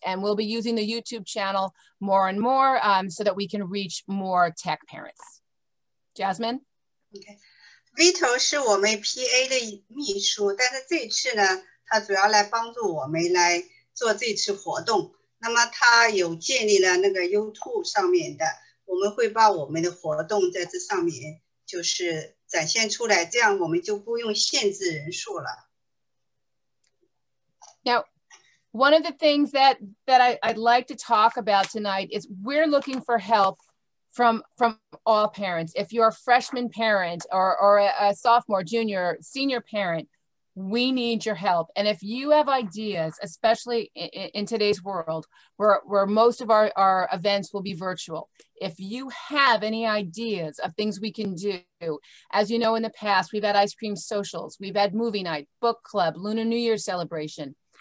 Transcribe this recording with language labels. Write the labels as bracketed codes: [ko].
[en] And we'll be using the YouTube channel more and more so that we can reach more tech parents. Jasmine? Okay. [zh] Vito 是我们 PA 的秘书，但是这次呢，他主要来帮助我们来做这次活动。那么他有建立了那个 YouTube 上面的，我们会把我们的活动在这上面就是展现出来，这样我们就不用限制人数了。 [en] Now, one of the things that I'd like to talk about tonight is we're looking for help from all parents. If you're a freshman parent or a sophomore, junior, senior parent, we need your help. And if you have ideas, especially in today's world where most of our events will be virtual, if you have any ideas of things we can do, as you know, in the past, we've had ice cream socials, we've had movie night, book club, Lunar New Year celebration.